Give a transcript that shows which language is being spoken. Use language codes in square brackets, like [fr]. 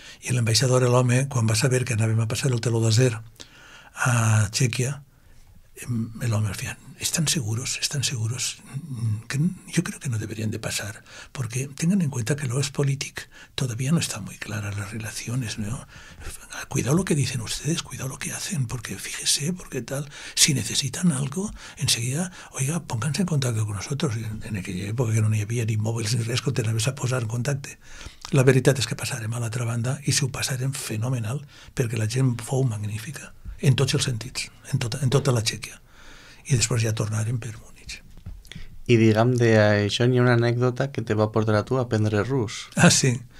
[ca] I l'ambaixador, l'home, quan va saber que anàvem a passar el teló d'acer a Txèquia, l'home va dir, estan segurs, que jo crec que no deberien de passar, perquè tenen en compte que l'os polític todavía no està molt clara les relacions, no? [es] Cuidado lo que dicen ustedes, cuidado lo que hacen, porque fíjese, porque tal, si necesitan algo, enseguida, oiga, pónganse en contacto con nosotros, [ca] en aquella época que no hi havia ni mòbils ni res, que t'anaves a posar en contacte. La veritat és que passarem a l'altra banda i si ho passarem fenomenal, perquè la gent fou magnífica, en tots els sentits, en tota la Txèquia. I després ja tornarem per Múnich. I diguem, d'això n'hi ha una anècdota que te va portar a tu a aprendre rus. Ah, sí.